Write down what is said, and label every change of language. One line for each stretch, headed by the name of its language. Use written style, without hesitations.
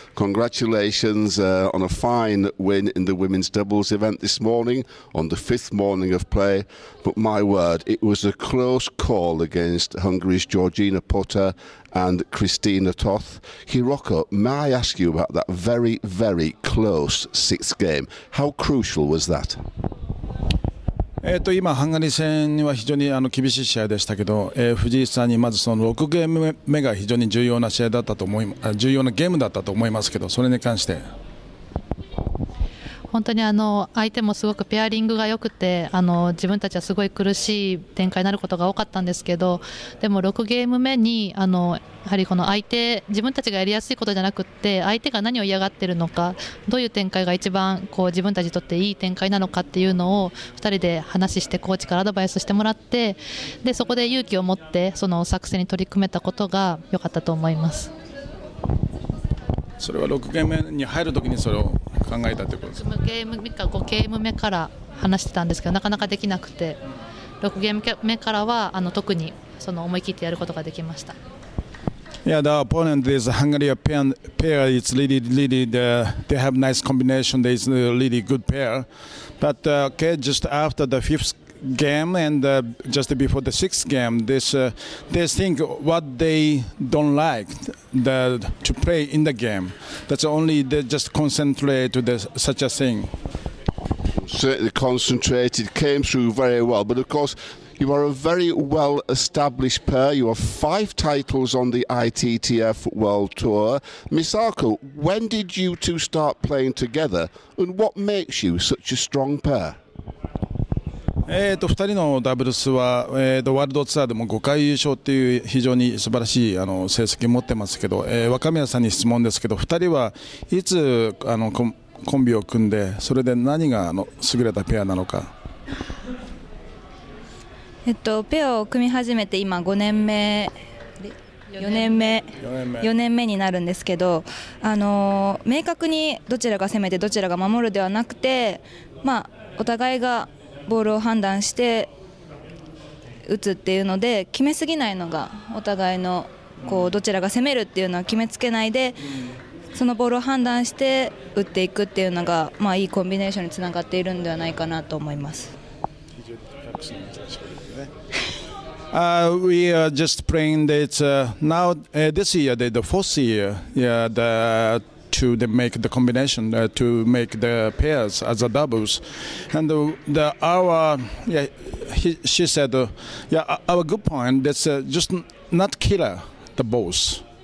English: Congratulations on a fine win in the women's doubles event this morning on the fifth morning of play. But my word, it was a close call against Hungary's Georgina Potter and Christina Toth. Hiroko, may I ask you about that very, very close sixth game? How crucial was that?
Japanese: 今ハンガリー戦は非常に厳しい試合でしたけど、藤井さんにまずその6ゲーム目が非常に重要な試合だったと思い、重要なゲームだったと思いますけど、それに関して本当に相手もすごくペアリングが良くて、自分たちはすごい苦しい展開になることが多かったんですけど、でも6ゲーム目にやはりこの相手、自分たちがやりやすいことじゃなくって、相手が何を嫌がっているのか、どういう展開が一番こう自分たちにとっていい展開なのかっていうのを2人で話して、コーチからアドバイスしてもらって、でそこで勇気を持ってその作戦に取り組めたことが良かったと思います。それは6ゲーム目に入るときにそれを考えたってことですか？ゲーム目か5ゲーム目から話してたんですけど、なかなかできなくて、6ゲーム目からは特にその思い切ってやることができました。
English: Yeah, the opponent is Hungary pair. It's really, really the, they have nice combination. They is really good pair. But okay, just after the fifth game and just before the sixth game, they think what they don't like to play in the game. That's only they just concentrate to such a thing. Certainly concentrated, came through very well. But of course, you are a very well established pair. You have 5 titles on the ITTF World Tour. Misako, when did you two start playing together, and what makes you such a strong pair?
Japanese: 2人のダブルスは、ワールドツアーでも5回優勝という非常に素晴らしい成績を持っていますけど、若宮さんに質問ですけど、2人はいつコンビを組んで、それで何が優れたペアなのか。ペアを組み始めて今4年目になるんですけど、明確にどちらが攻めてどちらが守るではなくて、まあ、お互いがボールを判断して打つっていうので、決めすぎないのがお互いのこうどちらが攻めるっていうのは決めつけないで、そのボールを判断して打っていくっていうのが、まあいいコンビネーションにつながっているんではないかなと思います。
English: We are just praying that now this year, the fourth year, to make the combination, to make the pairs as a doubles. And our good point is just not killer the balls.